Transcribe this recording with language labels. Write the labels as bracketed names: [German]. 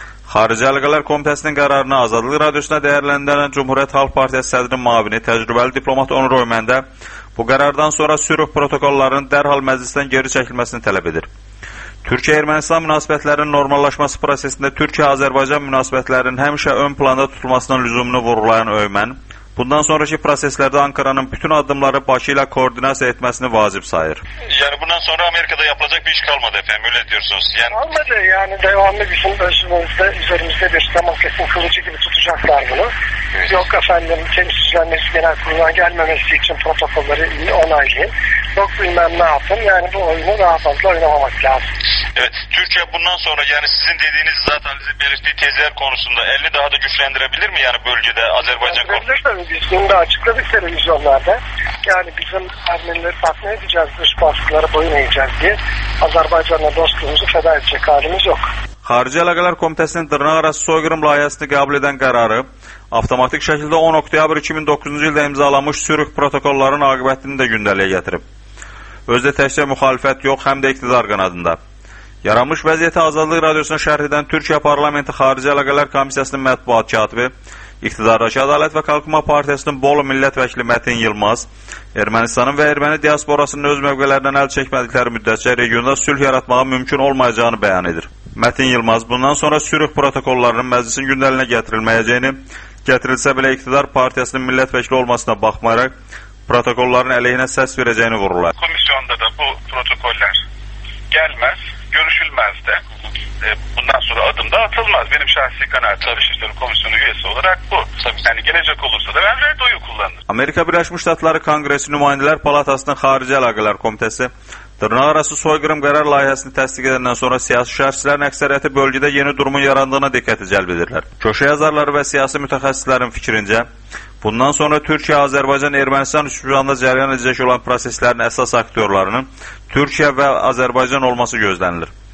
[Azerbaijani] Xarici Əlaqələr Komitəsinin qərarını Azadlıq Radiosuna dəyərləndirən Cumhuriyyət Xalq Partiyası sədrinin müavini təcrübəli diplomat Onur Oyməndə bu qərardan sonra sürük protokollarının dərhal məclisdən geri çəkilməsini tələb edir. Türkiyə-Ermənistan münasibətlərinin normallaşması prosesində Türkiyə-Azərbaycan münasibətlərinin həmişə ön planda tutulmasının lüzumunu vurğulayan Öymən, bundan sonraki proseslərdə Ankaranın bütün addımları Bakı ilə koordinasiya etməsini vacib sayır. [Turkish] Yəni bundan sonra Amerikada yapılacaq bir iş kalmadı efendim, öyle diyorsunuz. Yani... Olmadı, yani devamlı bizim özümüzde, üzerimizde bir Damoklet'in kılıcı gibi tutacaklar bunu. Evet. Yok efendim, temsilcilerimizin genel kuruluna gelmemesi için protokolleri onaylayın. Yok bilmem ne yapın, yani bu oyunu daha fazla oynamamak lazım. Evet, Türkiye bundan sonra yani sizin dediğiniz zaten bizim belirttiği tezler konusunda elini daha da güçlendirebilir mi yani bölgede Azerbaycan konusunda? Biz bunu da açıkladık televizyonlarda. Yani bizim Ermenileri tatmin edeceğiz, dış baskılara boyun eğeceğiz diye Azerbaycan'la dostluğumuzu feda edecek halimiz yok. [Azerbaijani] Xarici Əlaqələr Komitəsinin dırnaqarası soyqırım layihəsini qəbul edən qərarı, avtomatik şəkildə 10 oktyabr 2009-cu ildə imzalanmış sürük protokolların aqibətini də gündəliyə gətirib. Özdə təkcə müxalifət yox, həm də iqtidar qanadında. Yaranmış vəziyyəti Azadlıq Radiosuna şərh edən Türkiyə Parlamenti Xarici Əlaqələr Komissiyasının mətbuat katibi, iqtidardakı Ədalət və Qalqınma Partiyasının Bolu Millət Vəkili Mətin Yılmaz, Ermənistanın və erməni diasporasının öz mövqelərindən əl çəkmədikləri müddətcə regionda sülh yaratmağa mümkün olmayacağını bəyan edir. Mətin Yılmaz bundan sonra sürük protokollarının məclisin gündəliyinə gətirilməyəcəyini, gətirilsə belə iqtidar partiyasının millət vəkili olmasına baxmayaraq, protokolların əleyhinə səs verəcəyini vurular. [Turkish] Komissiyonda da bu protokollar gəlməz. Görüşülmez de bundan sonra adım da atılmaz. Benim şahsi kanaat çalıştığım komisyonu üyesi olarak bu. Tabii. Yani gelecek olursa da ben radyoyu kullanırım. [Azerbaijani] Amerika Birleşmiş Ştatları Kongresi Nümayəndələr Palatasının Xarici Əlaqələr Komitəsi dırnaqarası soyqırım qərar layihəsini təsdiq edəndən sonra siyasi şərhçilərin əksəriyyəti bölgədə yeni durumun yarandığına diqqəti cəlb edirlər. Köşə yazarları və siyasi mütəxəssislərin fikrincə, bundan sonra Türkiyə, Azərbaycan, Ermənistan üçbucağında cərəyan edəcək olan proseslərin əsas aktyorlarının Türkiyə və Azərbaycan olması gözlənilir.